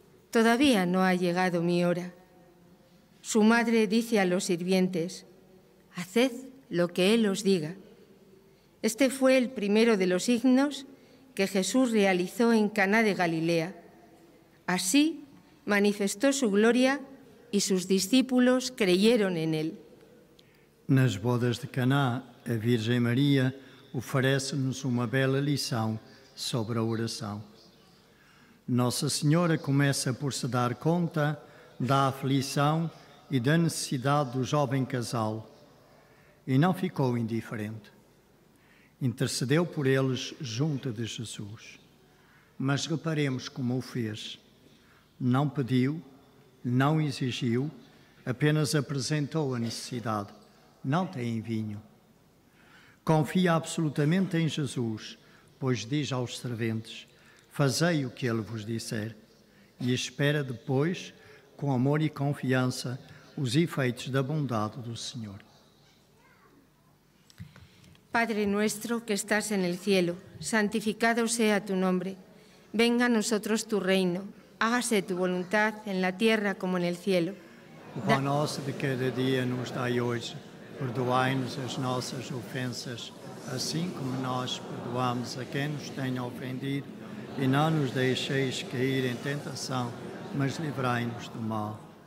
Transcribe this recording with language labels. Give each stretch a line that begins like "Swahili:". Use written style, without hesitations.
Spanish: Todavía no ha llegado mi hora». Su madre dice a los sirvientes, «Haced lo que él os diga». Este fue el primero de los signos que Jesús realizó en Caná de Galilea. Así manifestó su gloria y sus discípulos creyeron en él.
Portuguese: Nas bodas de Caná, a Virgem Maria oferece-nos uma bela lição sobre a oração. Nossa Senhora começa por se dar conta da aflição e da necessidade do jovem casal e não ficou indiferente. Intercedeu por eles junto de Jesus. Mas reparemos como o fez. Não pediu, não exigiu, apenas apresentou a necessidade. Não tem vinho. Confia absolutamente em Jesus, pois diz aos serventes, fazei o que ele vos disser, e espera depois, com amor e confiança, os efeitos da bondade do Senhor.
Spanish: Padre nuestro que estás en el cielo, santificado sea tu nombre, venga a nosotros tu reino, hágase tu voluntad en la tierra como en el cielo.
Portuguese: O pão nosso de cada dia nos dai hoje. Perdoai-nos as nossas ofensas, assim como nós perdoamos a quem nos tenha ofendido. E não nos deixeis cair em tentação, mas livrai-nos do mal.